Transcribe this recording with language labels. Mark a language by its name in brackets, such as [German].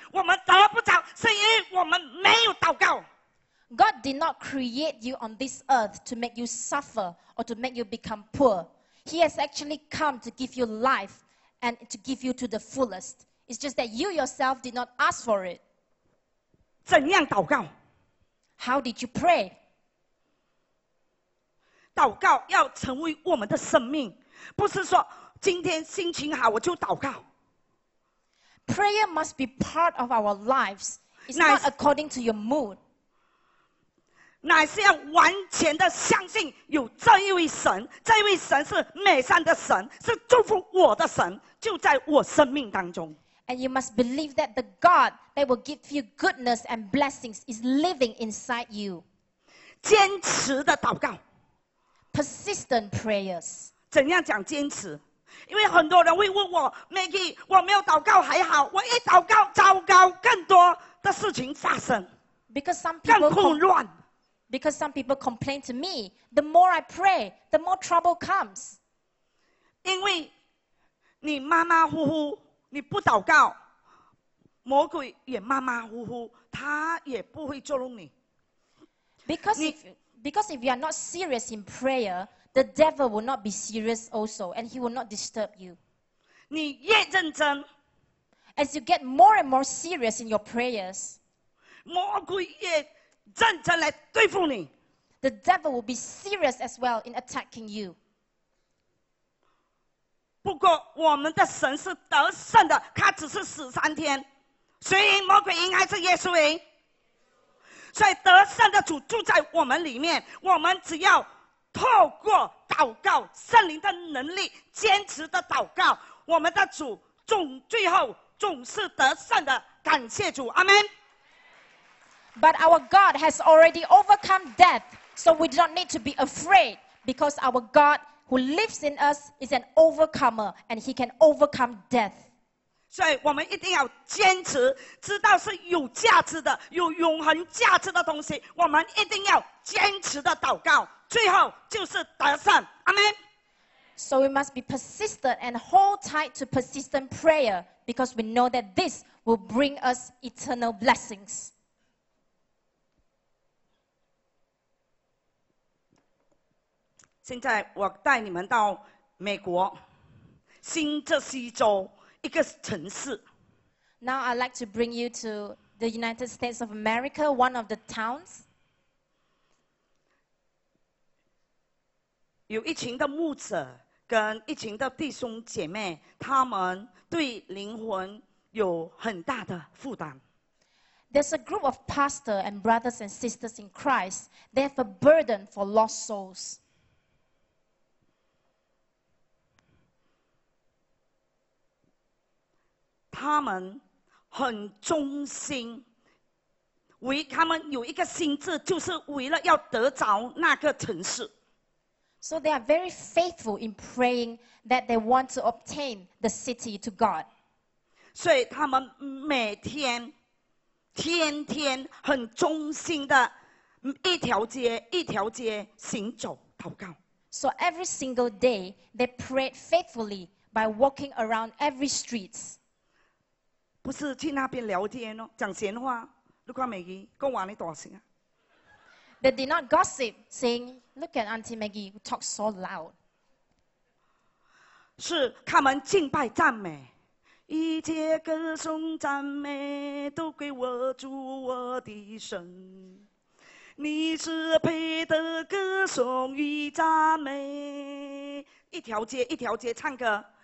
[Chinese] 我们得不着，是因为我们没有祷告。 [English] God did not create you on this earth to make you suffer or to make you become poor. He has actually come to give you life and to give you to the fullest. It's just that you yourself did not ask for it. [Chinese] 怎样祷告? [English] How did you pray? [Chinese] 祷告要成为我们的生命，不是说今天心情好我就祷告。 [English] Prayer must be part of our lives. It's not according to your mood. [Chinese] 乃是要完全的相信有这一位神，这一位神是美善的神，是祝福我的神，就在我生命当中。 [English] And you must believe that the God that will give you goodness and blessings is living inside you. [Chinese] 坚持的祷告。 [English] Persistent prayers. [Chinese] 怎样讲坚持？因为很多人会问我 ，Maggie， 我没有祷告还好，我一祷告，糟糕，更多的事情发生。 [English] Because some people [Chinese] 更混乱。 [English] Because some people complain to me, the more I pray, the more trouble comes. [Chinese] 因为你马马虎虎，你不祷告，魔鬼也马马虎虎，他也不会捉弄你。 [English] Because if you are not serious in prayer, the devil will not be serious also, and he will not disturb you. [Chinese] 你越认真 [English] ，as you get more and more serious in your prayers, [Chinese] 魔鬼也。认真来对付你。 [English] The devil will be serious as well in attacking you. [Chinese] 不过我们的神是得胜的，他只是死三天，谁赢？魔鬼赢还是耶稣赢？所以得胜的主住在我们里面，我们只要透过祷告，圣灵的能力，坚持的祷告，我们的主最后总是得胜的。感谢主，阿门。 [English] But our God has already overcome death, so we do not need to be afraid because our God who lives in us is an overcomer and he can overcome death. [Chinese] 所以我们一定要坚持，知道是有价值的，有永恒价值的东西，我们一定要坚持的祷告，最后就是得胜。 [English] Amen. So we must be persistent and hold tight to persistent prayer because we know that this will bring us eternal blessings. [Chinese] 现在我带你们到美国新泽西州一个城市。 [English] Now I'd like to bring you to the United States of America, one of the towns. [Chinese] 有一群的牧者跟一群的弟兄姐妹，他们对灵魂有很大的负担。 [English] There's a group of pastors and brothers and sisters in Christ. They have a burden for lost souls. [Chinese] 他们很忠心，他们有一个心智，就是为了要得着那个城市。 [English] So they are very faithful in praying that they want to obtain the city to God. [Chinese] 所以他们每天、天天很忠心的，一条街一条街行走祷告。 [English] So every single day they prayed faithfully by walking around every streets. [Chinese] 不是去那边聊天哦，讲闲话。 [English] Look at Maggie, [Chinese] 跟我你多少啊 [English] ？They did not gossip, saying, "Look at Auntie Maggie, who talks so loud." [Chinese] 是他们敬拜赞美，一切歌颂赞美都归我主我的神。你是配得歌颂与赞美，一条街一条街唱歌。